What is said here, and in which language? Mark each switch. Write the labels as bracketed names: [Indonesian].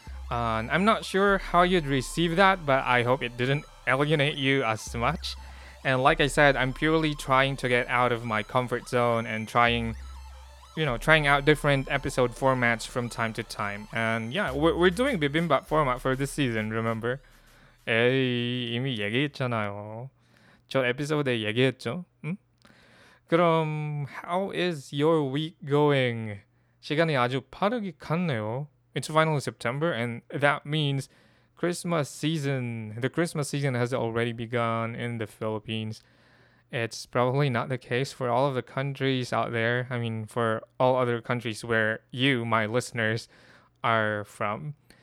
[English] I'm not sure how you'd receive that, but I hope it didn't alienate you as much. And like I said, I'm purely trying to get out of my comfort zone and trying out different episode formats from time to time. And yeah, we're doing bibimbap format for this season, remember? [Korean] 에이, 이미 얘기했잖아요. 저 에피소드에 얘기했죠? [English] 그럼, how is your week going? [Korean] 시간이 아주 빠르게 갔네요. [English] It's finally September, and that means Christmas season. The Christmas season has already begun in the Philippines. It's probably not the case for all of the countries out there. I mean, for all other countries where you, my listeners, are from.